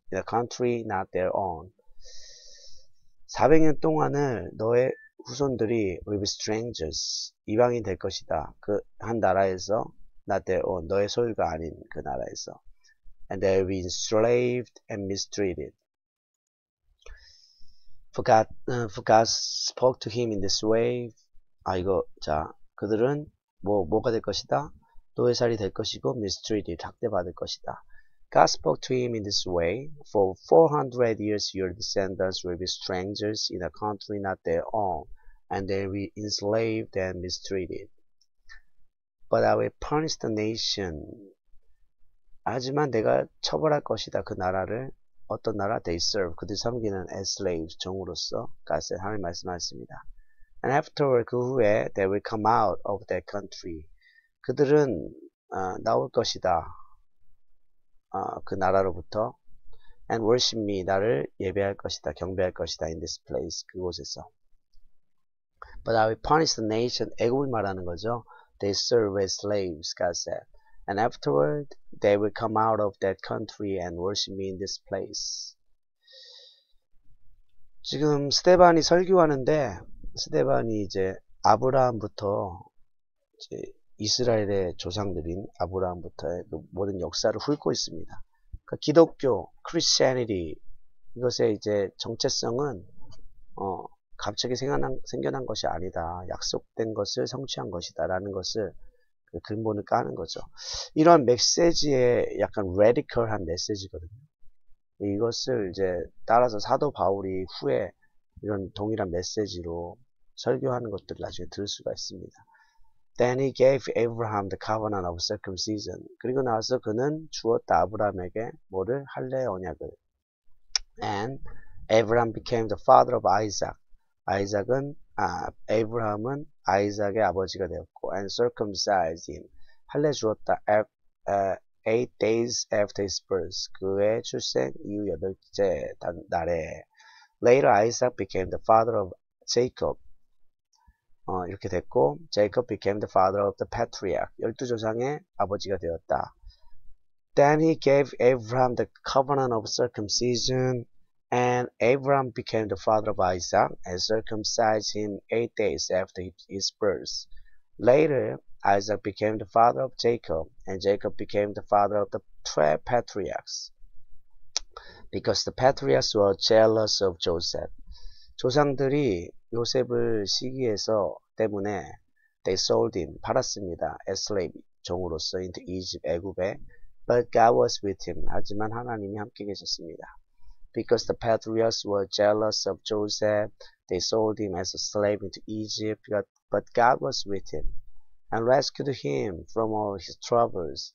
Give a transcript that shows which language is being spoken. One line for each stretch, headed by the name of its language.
English: In a country not their own.
Korean: 400년 동안을 너의 후손들이
English: will be strangers.
Korean: 이방인 될 것이다. 그한 나라에서
English: not their own.
Korean: 너의 소유가 아닌 그 나라에서.
English: And they will be enslaved and mistreated. For God spoke to him in this way.
Korean: 아, 이거, 자, 그들은 뭐가 될 것이다? 노예살이 될 것이고 mistreated. 학대받을 것이다.
English: God spoke to him in this way, For 400 years your descendants will be strangers in a country not their own, and they will be enslaved and mistreated. But I will punish the nation
Korean: 하지만 내가 처벌할 것이다. 그 나라를 어떤 나라?
English: They serve.
Korean: 그들 섬기는
English: as slaves.
Korean: 종으로서.
English: God said.
Korean: 하나님 말씀하셨습니다.
English: And afterward,
Korean: 그 후에,
English: they will come out of that country.
Korean: 그들은, 나올 것이다. 그 나라로부터.
English: And worship me.
Korean: 나를 예배할 것이다. 경배할 것이다.
English: In this place.
Korean: 그곳에서.
English: But I will punish the nation.
Korean: 애굽을 말하는 거죠.
English: They serve as slaves. God said. And afterward, they will come out of that country and worship me in this place.
Korean: 지금 스데반이 설교하는데, 스데반이 이제 아브라함부터 이제 이스라엘의 조상들인 아브라함부터의 그 모든 역사를 훑고 있습니다. 그 기독교, Christianity 이것의 이제 정체성은 갑자기 생겨난 것이 아니다. 약속된 것을 성취한 것이다라는 것을 그 근본을 까는 거죠. 이러한 메시지의 약간 레디컬한 메시지거든요. 이것을 이제 따라서 사도 바울이 후에 이런 동일한 메시지로 설교하는 것들을 나중에 들을 수가 있습니다.
English: Then he gave Abraham the covenant of circumcision.
Korean: 그리고 나서 그는 주었다. 아브라함에게 뭐를? 할례 언약을.
English: And Abraham became the father of Isaac.
Korean: 아브라함은 아이삭의 아버지가 되었고,
English: and circumcised him.
Korean: 할례 주었다.
English: 8 days after his birth.
Korean: 그의 출생 이후 여덟째 날에.
English: Later Isaac became the father of Jacob.
Korean: 이렇게 됐고,
English: Jacob became the father of the patriarch.
Korean: 열두 조상의 아버지가 되었다.
English: Then he gave Abraham the covenant of circumcision, and Abraham became the father of Isaac and circumcised him 8 days after his birth. Later, Isaac became the father of Jacob, and Jacob became the father of the 12 patriarchs, because the patriarchs were jealous of Joseph.
Korean: 조상들이 요셉을 시기해서 때문에
English: they sold him,
Korean: 팔았습니다.
English: As slave,
Korean: 종으로서
English: into Egypt,
Korean: 애굽에.
English: But God was with him.
Korean: 하지만 하나님이 함께 계셨습니다.
English: Because the patriarchs were jealous of Joseph, they sold him as a slave into Egypt. But God was with him and rescued him from all his troubles.